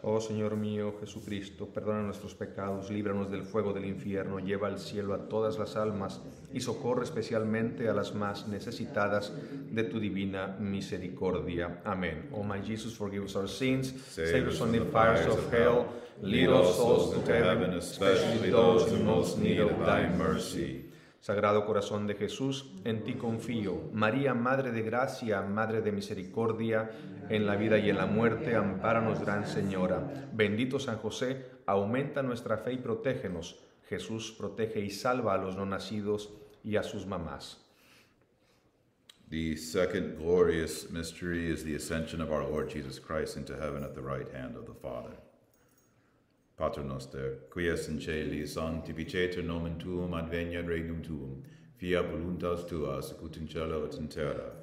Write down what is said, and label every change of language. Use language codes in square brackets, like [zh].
[es] Oh, Señor mío, Jesucristo, perdona nuestros pecados, líbranos del fuego del infierno, lleva al cielo a todas las almas y socorre especialmente a las más necesitadas de tu divina misericordia. Amen. [en] Oh, my Jesus, forgive us our sins, save us from the fires of hell, lead all souls to heaven, especially those in most need of thy mercy. [es] Sagrado Corazón de Jesús, en ti confío. María, Madre de Gracia, Madre de Misericordia, en la vida y en la muerte, ampáranos, Gran Señora. Bendito San José, aumenta nuestra fe y protégenos. Jesús, protege y salva a los no nacidos y a sus mamás. [en] The second glorious mystery is the ascension of our Lord Jesus Christ into heaven at the right hand of the Father. [la] Pater noster, qui es in celi, sanctificetur nomen tuum, adveniat regnum tuum, fiat voluntas tua, sicut in cielo et in terra.